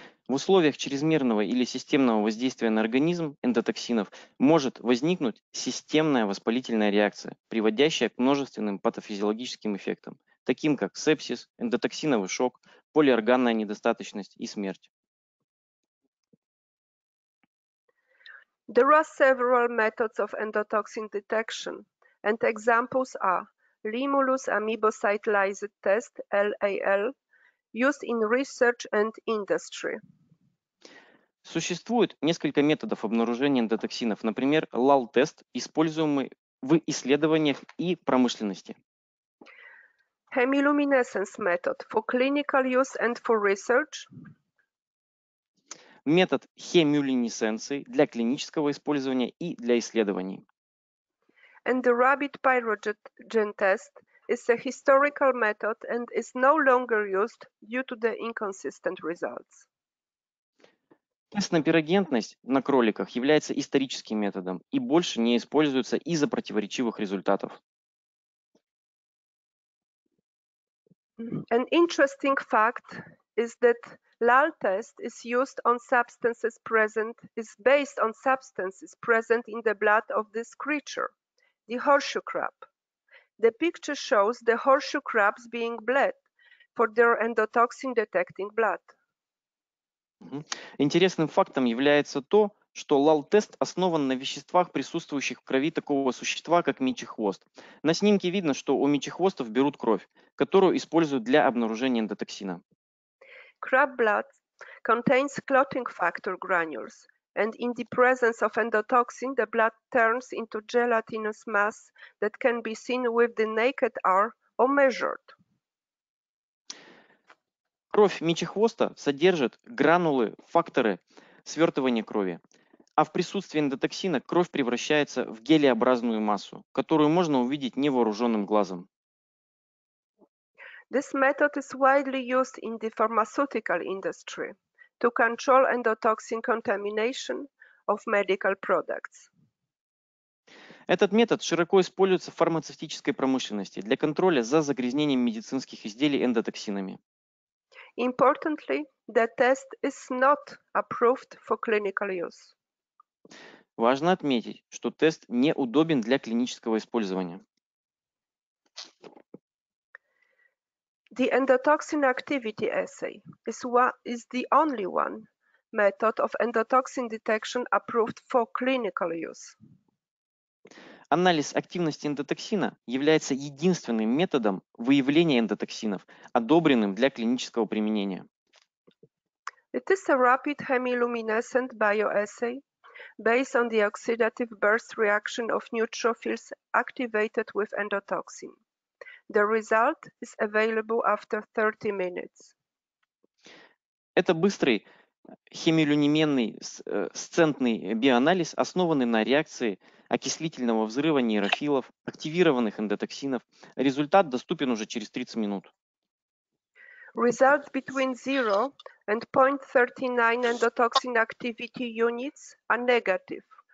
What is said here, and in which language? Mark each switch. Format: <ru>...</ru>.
<ru>В условиях чрезмерного или системного воздействия на организм эндотоксинов может возникнуть системная воспалительная реакция, приводящая к множественным патофизиологическим эффектам, таким как сепсис, эндотоксиновый шок, полиорганная недостаточность и смерть.</ru> <en>There are several methods of endotoxin detection, and examples are Limulus amebocyte lyse test, LAL, used in research and industry.</en> <ru>Существует несколько методов обнаружения эндотоксинов, например, LAL-тест, используемый в исследованиях и промышленности.</ru> <en>Hemiluminescence method for clinical use and for research.</en> <ru>Метод хемилюминесценции для клинического использования и для исследований.</ru> <en>And the rabbit pyrogen test is a historical method and is no longer used due to the inconsistent results.</en> <ru>Тест на пирогентность на кроликах является историческим методом и больше не используется из-за противоречивых результатов.</ru> <en>An interesting fact is that LAL test is used on substances present, is based on substances present in the blood of this creature, the horseshoe crab. The picture shows the horseshoe crabs being bled for their endotoxin detecting blood.</en> <ru>Интересным фактом является то, что LAL-тест основан на веществах, присутствующих в крови такого существа, как мечехвост. На снимке видно, что у мечехвостов берут кровь, которую используют для обнаружения эндотоксина.</ru> <en>Crab blood contains clotting factor granules, and in the presence of endotoxin, the blood turns into gelatinous mass that can be seen with the naked eye or measured.</en> <ru>Кровь мечехвоста содержит гранулы, факторы свертывания крови. А в присутствии эндотоксина кровь превращается в гелеобразную массу, которую можно увидеть невооруженным глазом.</ru> <en>This method is widely used in the pharmaceutical industry to control endotoxin contamination of medical products.</en> <ru>Этот метод широко используется в фармацевтической промышленности для контроля за загрязнением медицинских изделий эндотоксинами.</ru> <en>Importantly, the test is not approved for clinical use.</en> <ru>Важно отметить, что тест не удобен для клинического использования.</ru> <en>The endotoxin activity assay is the only one method of endotoxin detection approved for clinical use.</en> <ru>Анализ активности эндотоксина является единственным методом выявления эндотоксинов, одобренным для клинического применения.</ru> <en>It is a rapid hemiluminescent bioassay based on the oxidative burst reaction of neutrophils activated with endotoxin. The result is available after 30 minutes.</en> <ru>Это быстрый хемилюминемный сцентный биоанализ, основанный на реакции окислительного взрыва нейрофилов, активированных эндотоксинов. Результат доступен уже через 30 минут.</ru> <en>Results between 0 and 0.39 endotoxin activity units are negative.</en>